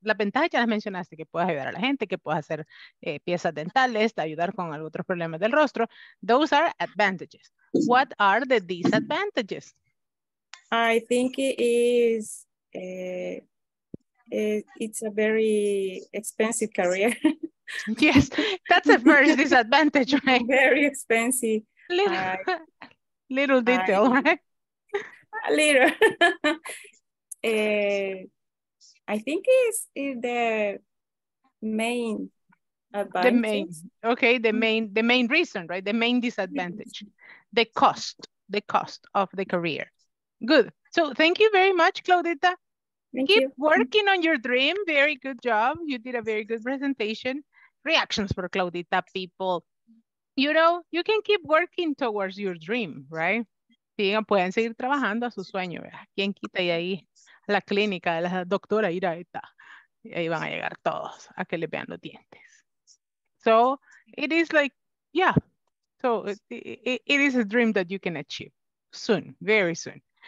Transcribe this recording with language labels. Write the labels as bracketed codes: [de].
[es] Las ventajas ya las mencionaste, que puedes ayudar a la gente, que puedes hacer piezas dentales, ayudar con otros problemas del rostro. [en] Those are advantages. What are the disadvantages? I think it is, it's a very expensive career. Yes, that's the first disadvantage, right? Very expensive. Little detail, right? A little. I think it's the main advantage. The main, okay, the main reason, right? The main disadvantage. The cost of the career. Good. So thank you very much, Claudita. Thank you. Keep working on your dream. Very good job. You did a very good presentation. Reactions for Claudita, people. You know, you can keep working towards your dream, right? [es] Sí, pueden seguir trabajando a su sueño, ¿verdad? ¿Quién quita y ahí la clínica de la doctora irá está? Y ahí van a llegar todos a que le vean los dientes. [en] So, it is like, yeah. So, it is a dream that you can achieve soon, very soon.